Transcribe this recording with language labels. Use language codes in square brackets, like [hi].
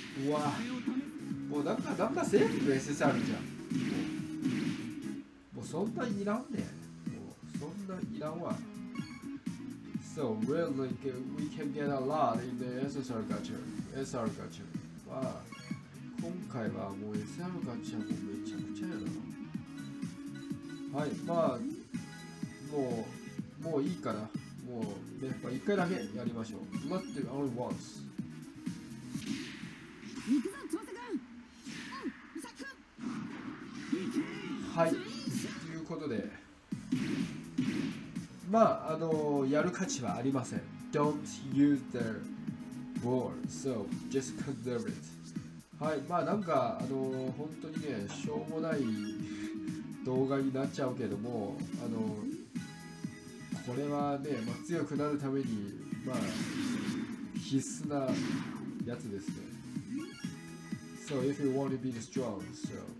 [ja] わもうなんか全部 SSR じゃん。もうそんないらんねん。もうそんないらんわ。 [en] So really we can get a lot in the SSR gacha. [ja] SR gacha. わ今回はもう SR gacha もめちゃくちゃやな。はい、まあもういいかな。もうやっぱ1回だけやりましょう。 [en] Let's do only once. [ja] はい、ということで、まあやる価値はありません。 [en] Don't use the ball, so just conserve it. [ja] はい、まあなんか本当にね、しょうもない動画になっちゃうけども、これはね、まあ、強くなるためにまあ必須なやつですね。 [en] So if you want to be strong, so.